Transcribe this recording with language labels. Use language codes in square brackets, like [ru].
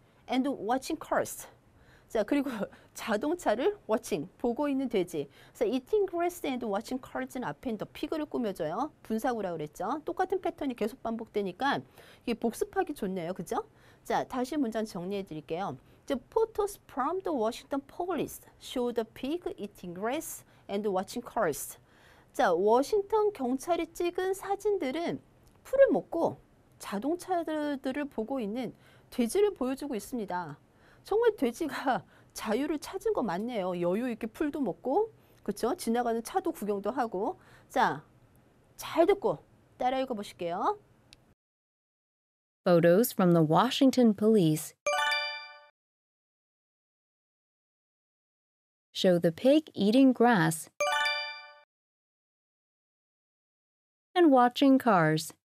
[en] And watching cars. [ko] 자, 그리고 자동차를 watching, 보고 있는 돼지. 그래서 eating grass and watching cars는 앞에 the pig를 꾸며줘요. 분사구라고 그랬죠. 똑같은 패턴이 계속 반복되니까 이게 복습하기 좋네요. 그죠? 자, 다시 문장 정리해 드릴게요. [en] The photos from the Washington police show the pig eating grass and watching cars. [ko] 자, 워싱턴 경찰이 찍은 사진들은 풀을 먹고 자동차들을 보고 있는 돼지를 보여주고 있습니다. 정말 돼지가 자유를 찾은 거 맞네요. 여유 있게 풀도 먹고, 그렇죠? 지나가는 차도 구경도 하고. 자, 잘 듣고 따라 읽어보실게요. [en] Photos from the Washington Police show the pig eating grass and watching cars.